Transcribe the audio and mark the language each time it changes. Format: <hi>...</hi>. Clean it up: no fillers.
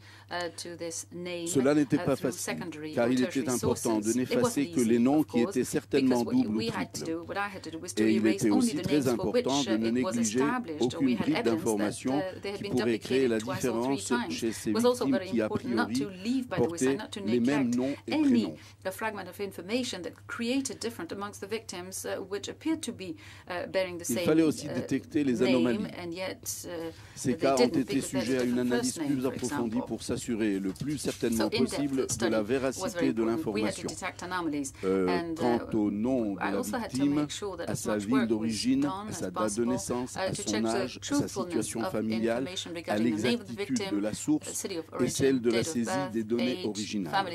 <fr>Cela n'était pas facile, car il était important de n'effacer que les noms qui étaient certainement doubles ou triples. Et il était aussi très important de ne négliger aucune bribe d'information qui pourrait créer la différence chez ces victimes qui, a priori, portaient les mêmes noms et prénoms.</fr> <en>A fragment of information that created different amongst the victims, which appeared to be bearing the same name.</en> <fr>Il fallait aussi détecter les anomalies. Ces cas ont été sujets à une analyse plus approfondie pour s'assurer le plus certainement possible de la véracité de l'information. Quant au nom de la victime, à sa ville d'origine, à sa date de naissance, à son âge, à sa situation familiale, à l'exactitude de la source et celle de la saisie des données originales.</fr>